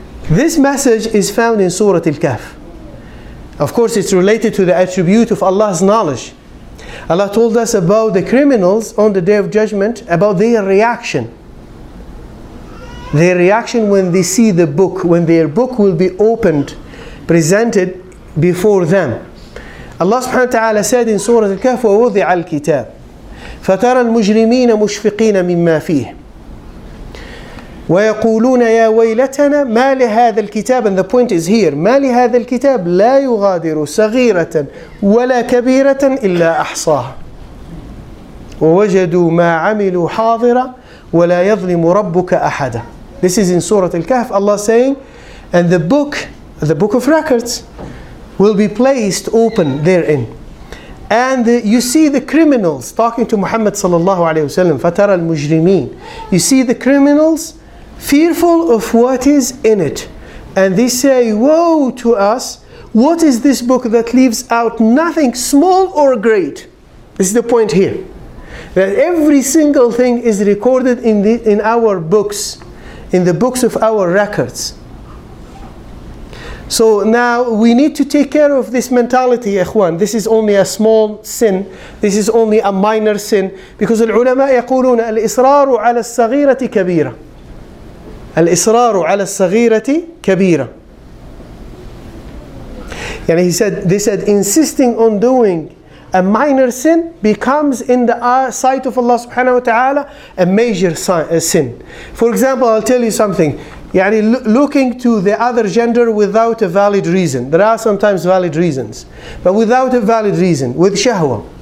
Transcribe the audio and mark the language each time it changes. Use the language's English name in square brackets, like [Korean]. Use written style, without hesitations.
[English] This message is found in Surah Al-Kahf. Of course, it's related to the attribute of Allah's knowledge. Allah told us about the criminals on the Day of Judgment, about their reaction. Their reaction when they see the book, when their book will be opened, presented before them. Allah subhanahu wa ta'ala said in Surah Al-Kahf, [Arabic] وَوُضِعَ الْكِتَابِ فَتَرَى الْمُجْرِمِينَ مُشْفِقِينَ مِمَّا فِيهِ وَيَقُولُونَ يَا وَيْلَتَنَا مَا لِهَذَا الْكِتَابِ. [English] And the point is here, [Arabic] مَا لِهَذَا الْكِتَابِ لَا يُغَادِرُ صَغِيرَةً وَلَا كَبِيرَةً إِلَّا أَحْصَاهَا وَوَجَدُوا مَا عَمِلُوا حَاضِرًا وَلَا يَظْلِمُ رَبُّكَ أَحَدًا. [English] This is in Surah Al-Kahf, Allah saying, and the book of records will be placed open therein. And you see the criminals, talking to Muhammad sallallahu alayhi wasallam, [Arabic] فَتَرَى الْمُجْرِمِينَ. [English] You see the criminals fearful of what is in it. And they say, woe to us, what is this book that leaves out nothing, small or great? This is the point here. That every single thing is recorded in our books, in the books of our records. So now we need to take care of this mentality, ikhwan. This is only a small sin. This is only a minor sin. Because the ulama [Arabic] يقولون الإصرار على الصغيرة كبيرة. الإصرار على الصغيرة كبيرة. [English] يعني he said, they said, insisting on doing a minor sin becomes in the sight of Allah subhanahu wa ta'ala a major sin. For example, I'll tell you something. Yani looking to the other gender without a valid reason. There are sometimes valid reasons. But without a valid reason, with shahwa.